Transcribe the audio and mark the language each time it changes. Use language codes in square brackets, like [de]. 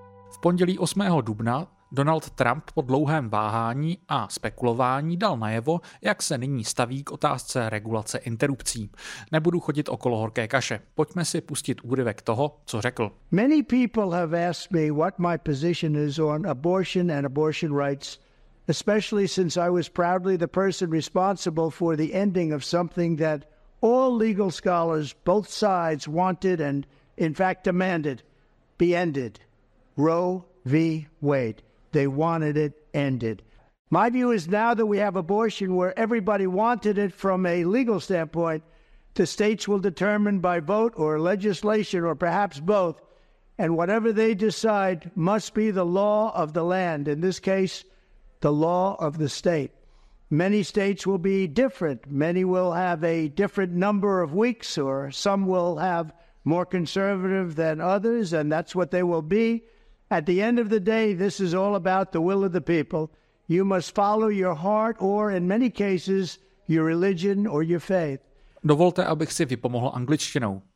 [cs] V pondělí 8. dubna Donald Trump po dlouhém váhání a spekulování dal najevo, jak se nyní staví k otázce regulace interrupcí. Nebudu chodit okolo horké kaše. Pojďme si pustit úryvek toho, co řekl. [en] Many people have asked me what my position is on abortion and abortion rights, especially since I was proudly the person responsible for the ending of something that all legal scholars both sides wanted and in fact demanded be ended. Roe v. Wade. They wanted it ended. My view is now that we have abortion where everybody wanted it from a legal standpoint, the states will determine by vote or legislation or perhaps both, and whatever they decide must be the law of the land, in this case, the law of the state. Many states will be different. Many will have a different number of weeks, or some will have more conservative than others, and that's what they will be. At the end of the day, this is all about the will of the people. You must follow your heart or, in many cases, your religion or your faith. [cs] Dovolte, abych si vypomohl angličtinou.